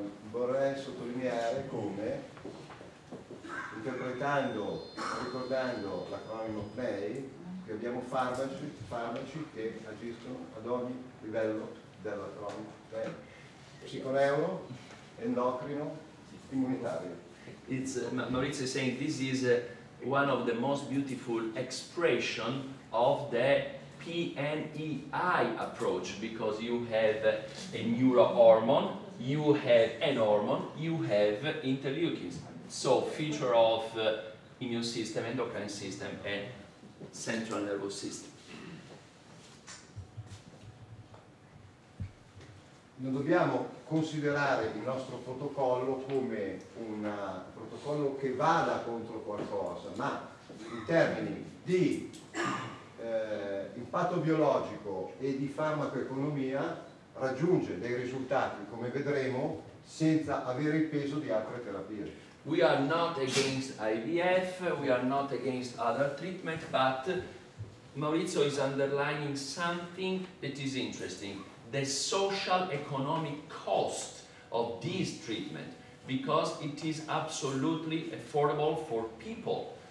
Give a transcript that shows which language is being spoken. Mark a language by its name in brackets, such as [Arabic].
[Italian] Vorrei sottolineare come, interpretando, ricordando l'acronimo PLAY, che abbiamo farmaci che agiscono ad ogni livello dell'acronimo PLAY. Psiconeuro, endocrino, immunitario. [English] It's, Maurizio is saying this is one of the most beautiful expression of the PNEI approach, because you have a neurohormone, you have an hormone, you have interleukins. So feature of immune system, endocrine system, and central nervous system. [Italian] Non dobbiamo considerare il nostro protocollo come un protocollo che vada contro qualcosa, ma in termini di impatto biologico e di farmacoeconomia raggiunge dei risultati, come vedremo, senza avere il peso di altre terapie. [English] We are not against IVF, we are not against other treatment, but Maurizio is underlining something that is interesting: the social economic cost of this treatment, because it is absolutely affordable for people.